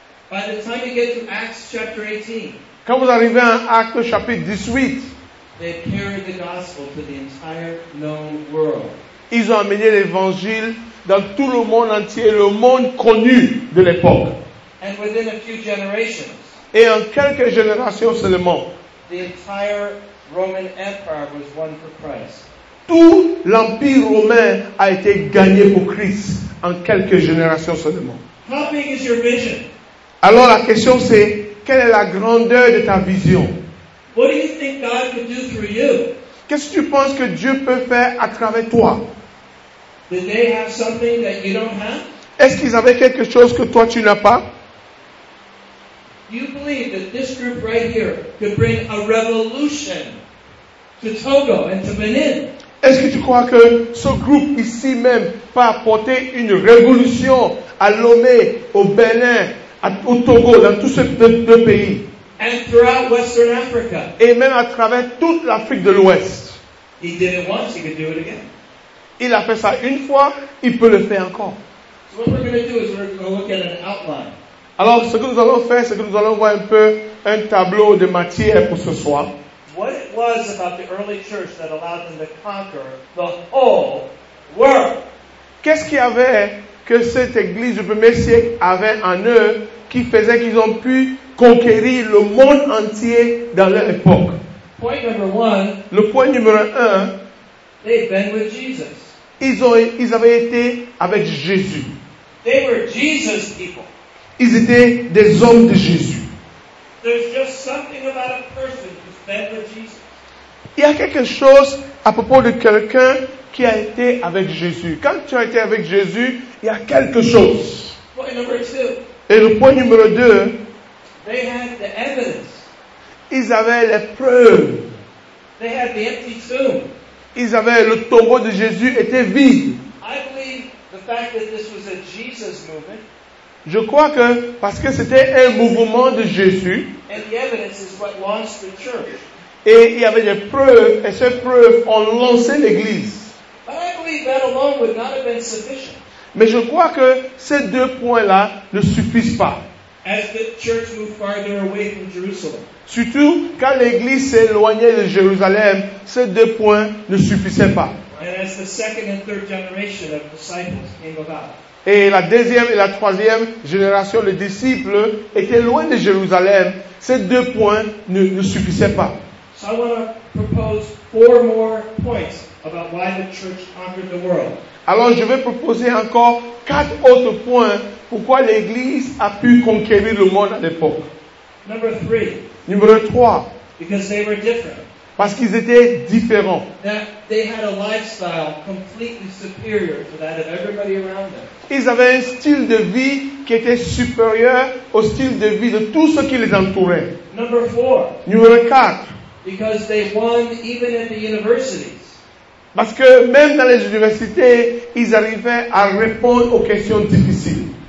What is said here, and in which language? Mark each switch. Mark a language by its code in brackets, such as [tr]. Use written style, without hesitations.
[en] By the time you get to Acts chapter 18, [fr] Quand vous arrivez à Actes chapitre 18, [en] they carried the gospel to the entire known world. [fr] Ils ont amené l'évangile dans tout le monde entier, le monde connu de l'époque. [en] And within a few generations, [fr] et en quelques générations seulement, [en] the entire Roman Empire was won for Christ. [fr] Tout l'Empire romain a été gagné pour Christ en quelques générations seulement. [en] How big is your vision? [fr] Alors la question c'est, quelle est la grandeur de ta vision? [en] What do you think God could do through you? [fr] Qu'est-ce que tu penses que Dieu peut faire à travers toi? [en] Did they have something that you don't have? [fr] Est-ce qu'ils avaient quelque chose que toi tu n'as pas? [en] You believe that this group right here could bring a revolution to Togo and to Benin? [fr] Est-ce que tu crois que ce groupe ici même peut apporter une révolution à Lomé, au Bénin, au Togo, dans tous ces deux pays? [en] And throughout Western Africa. [fr] Et même à travers toute l'Afrique de l'Ouest. [en] He did it once, he could do it again. [fr] Il a fait ça une fois, il peut le faire encore. [en] So what we're going to do is we're going to look at an outline. [fr] Alors ce que nous allons faire, c'est que nous allons voir un peu un tableau de matière pour ce soir. [en] What it was about the early church that allowed them to conquer the whole world? [fr] Qu'est-ce qu'il y avait que cette église du premier siècle avait en eux qui faisait qu'ils ont pu conquérir le monde entier dans leur époque? [en] Point number one. [fr] Le point numéro un. [en] They've been with Jesus. [fr] Ils avaient été avec Jésus. [en] They were Jesus people. [fr] Ils étaient des hommes de Jésus. [en] There's just something about a person who's been with Jesus. [fr] Il y a quelque chose à propos de quelqu'un qui a été avec Jésus. Quand tu as été avec Jésus, il y a quelque chose. [en] Point number two. [fr] Et le point numéro deux. [en] They had the evidence. [fr] Ils avaient les preuves. [en] They had the empty tomb. [fr] Ils avaient le tombeau de Jésus était vide. [en] I believe the fact that this was a Jesus movement. [fr] Je crois que parce que c'était un mouvement de Jésus. [en] And the evidence is what launched the church. [fr] Et il y avait des preuves, et ces preuves ont lancé l'Église. [en] But I believe that alone would not have been sufficient. [fr] Mais je crois que ces deux points-là ne suffisent pas. [en] As the church moved farther away from Jerusalem. [fr] Surtout quand l'Église s'est éloignée de Jérusalem, ces deux points ne suffisaient pas. [en] And as the second and third generation of disciples came about. [fr] Et la deuxième et la troisième génération de disciples étaient loin de Jérusalem. Ces deux points ne suffisaient pas. [en] So I want to propose four more points about why the church conquered the world. [fr] Alors je vais proposer encore quatre autres points pourquoi l'Église a pu conquérir le monde à l'époque. [en] Number three. [fr] Numéro trois. [en] Because they were different. [fr] Parce qu'ils étaient différents. [en] They had a lifestyle completely superior to that of everybody around them. [fr] Ils avaient un style de vie qui était supérieur au style de vie de tous ceux qui les entouraient. [en] Number four. [fr] Numéro quatre. [en] Because they won even at the universities. [fr] Parce que même dans les universités, ils arrivaient à répondre aux questions difficiles.